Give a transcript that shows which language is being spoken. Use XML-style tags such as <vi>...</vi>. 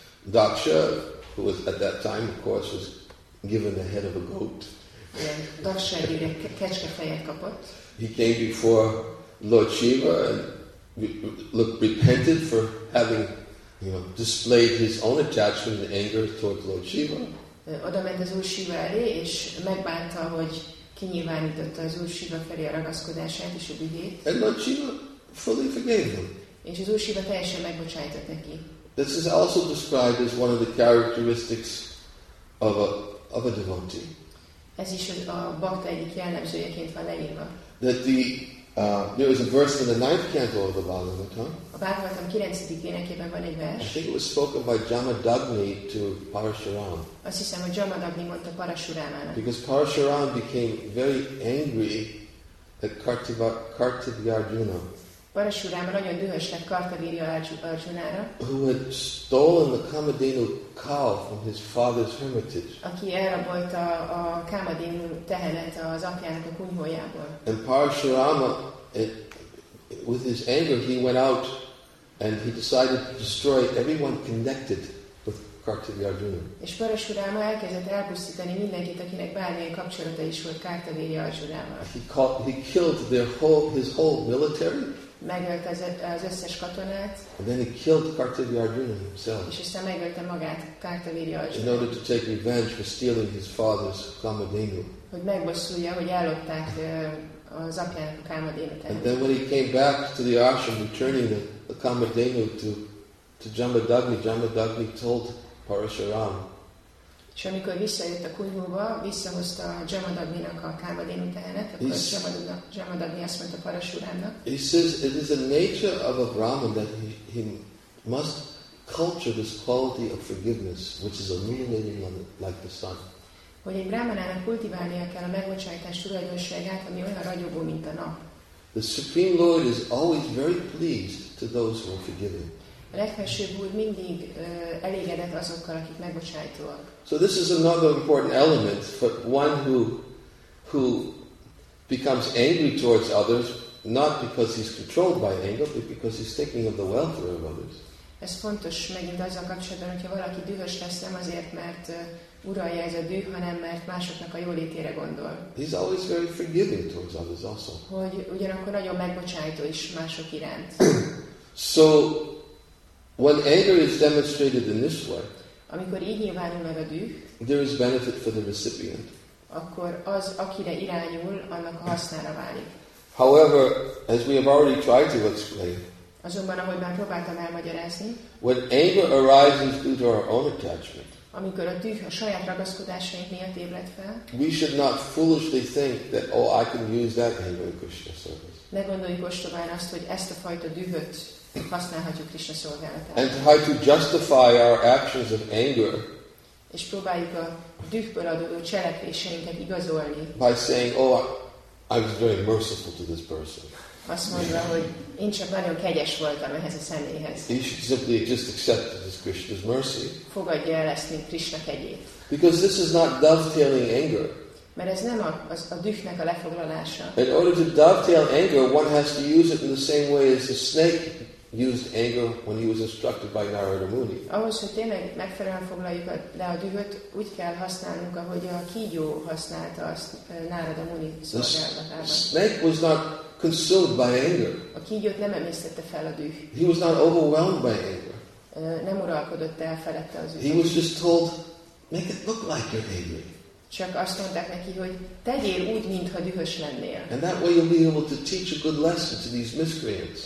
<en>Daksha, who was at that time, of course, was given the head of a goat.</en> <hu>Daksha egy kecske fejet kapott.</hu> <en>He came before Lord Shiva and repented for having, you know, displayed his own attachment and anger towards Lord Shiva.</en> <hu>Oda ment az Úr Shiva elé, és megbánta, hogy kinyilvánította az Úr Shiva felé a ragaszkodását és a dühét.</hu> <en>And Lord Shiva fully forgave him.</en> <hu>És az Úr Shiva teljesen megbocsájtott neki.</hu> <en>This is also described as one of the characteristics of a devotee.</en> <hu>Ez is a bhakta egyik jellemzőjeként van leírva.</hu> <en>That there is a verse in the ninth canto of the Bhagavatam.</en> <hu>A Bhagavatam 9. énekében van egy vers.</hu> <en>I think it was spoken by Jamadagni to Parashuram.</en> <hu>Azt hiszem, hogy Jamadagni mondta Parashuramának.</hu> <en>Because Parashuram became very angry at Kartavirya Arjuna.</en> <hu>Parashuram nagyon dühös lett Kartavirya Arjunára.</hu> <en>Who had stolen the Kamadhenu cow from his father's hermitage.</en> <hu>Aki elrabolta a Kamadhenu tehenet az apjának a kunyhójából.</hu> <en>And Parashurama, with his anger, he went out and he decided to destroy everyone connected with Kartavirya Arjuna.</en> <hu>És Parashurama elkezdett elpusztítani mindenkit, akinek bármilyen kapcsolata is volt Kartavirya Arjunával.</hu> <en>He killed his whole military.</en> <hu>Megölt az összes katonát.</hu> <en>And then he killed Kartavirya Arjuna himself.</en> <hu>És aztán megölte magát Kartavirya Arjuna.</hu> <en>In order to take revenge for stealing his father's Kamadhenu.</en> <hu>Hogy megbosszulja, hogy ellopták az apjának a Kamadhenu tehenet.</hu> <en>And then when he came back to the ashram, returning the Kamadhenu to Jamadagni, Jamadagni told Parashuram.</en> <hu>És amikor visszajött a kunyhóba, visszahozta Jamadagninak a Kamadhenu tehenet, akkor Jamadagni azt mondta Parashuramnak.</hu> <en>He says, it is the nature of a Brahman that he must culture this quality of forgiveness, which is illuminating like the sun.</en> <hu>Hogy egy brámanának kultiválnia kell a megbocsátás tulajdonságát, ami olyan ragyogó, mint a nap.</hu> <en>The Supreme Lord is always very pleased to those who are forgiving.</en> <hu>A legfelsőbb úr mindig elégedett azokkal, akik megbocsájtóak.</hu> <en>So this is another important element for one who becomes angry towards others, not because he's controlled by anger, but because he's thinking of the welfare of others.</en> <hu>Ez fontos megint azzal kapcsolatban, hogyha valaki dühös lesz, nem azért, mert uralja ez a düh, hanem mert másoknak a jólétére gondol.</hu> <en>He's always very forgiving towards others also.</en> <hu>Hogy ugyanakkor nagyon megbocsájtó is mások iránt.</hu> <en>So, when anger is demonstrated in this way,</en> <hu>amikor így nyilvánul meg a düh,</hu> <en>there is benefit for the recipient.</en> <hu>Akkor az, akire irányul, annak a hasznára válik.</hu> <en>However, as we have already tried to explain,</en> <hu>azonban, ahogy már próbáltam elmagyarázni,</hu> <en>when anger arises due to our own attachment,</en> <hu>amikor a düh a saját ragaszkodásaink miatt ébred fel,</hu> <en>we should not foolishly think that, oh, I can use that anger in Krishna service.</en> <hu>Ne gondoljuk ostobán azt, hogy ezt a fajta dühöt használhatjuk Krishna szolgálatára.</hu> <en>And try to justify our actions of anger,</en> <hu>és próbáljuk a dühből adódó cselekvéseinket igazolni,</hu> <en>by saying, oh, I was very merciful to this person.</en> <hu>Azt mondva, hogy én csak nagyon kegyes voltam ehhez a személyhez.</hu> <en>He should simply just accept it as Krishna's mercy.</en> <hu>Fogadja el ezt, mint Krishna kegyét.</hu> <en>Because this is not dovetailing anger.</en> <hu>Mert ez nem a dühnek a lefoglalása.</hu> <en>In order to dovetail anger, one has to use it in the same way as a snake used anger when he was instructed by Narada Muni.</en> <hu>Ahhoz, hogy tényleg megfelelően foglaljuk le a dühöt, úgy kell használnunk, ahogy a kígyó használta azt Narada Muni szolgálatában.</hu> <en>The snake was not consumed by anger.</en> <hu>A kígyót nem emésztette fel a düh.</hu> <en>He was not overwhelmed by anger.</en> <hu>Nem uralkodott el felette az üzenet.</hu> <en>He was just told, make it look like you're angry.</en> <hu>Csak azt mondták neki, hogy tegyél úgy, mintha dühös lennél.</hu> <en>And that way you'll be able to teach a good lesson to these miscreants.</en>